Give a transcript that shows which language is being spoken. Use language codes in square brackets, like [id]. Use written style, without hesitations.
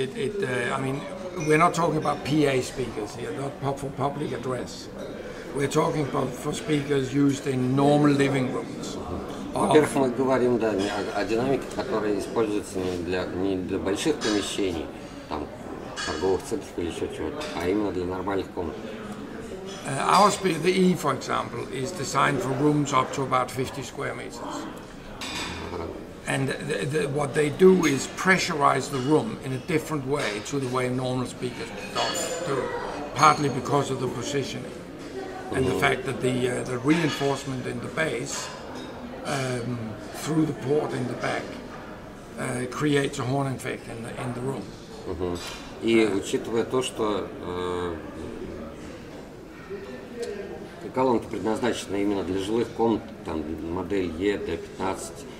[en] We're not talking about PA speakers here, not for public address. We're talking about for speakers used in normal living rooms. [ru] Во-первых, мы говорим о динамике, которая используется не для больших помещений, там торговых центров или еще чего-то, а именно для нормальных комнат. [en] Our speaker, the E, for example, is designed for rooms up to about 50 square meters. And what they do is pressurize the room in a different way to the way normal speakers do, partly because of the positioning and the fact that the reinforcement in the bass through the port in the back creates a horn effect in the room. [ru] Uh-huh. И учитывая то, что колонки предназначены именно для жилых комнат, там модель ED15,